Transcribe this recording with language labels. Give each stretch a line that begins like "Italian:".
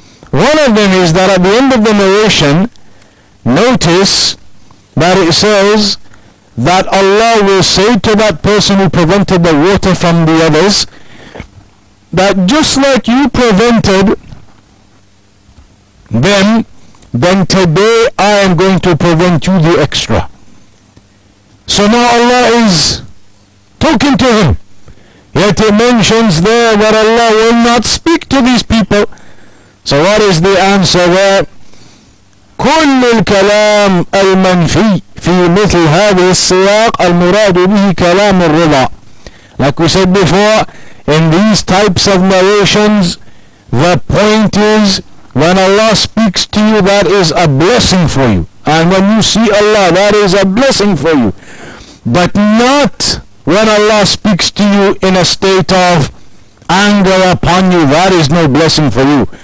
English: One of them is that at the end of the narration, notice that it says that Allah will say to that person who prevented the water from the others, that just like you prevented them, then today I am going to prevent you the extra. So now Allah is talking to him. Yet he mentions there that Allah will not speak to these people. So what is the answer there?
Arabic: كل الكلام المنفي في مثل هذه السياق المراد به كلام الرضا.
English: Like we said before, in these types of narrations, the point is, when Allah speaks to you, that is a blessing for you. And when you see Allah, that is a blessing for you. But not when Allah speaks to you in a state of anger upon you, that is no blessing for you.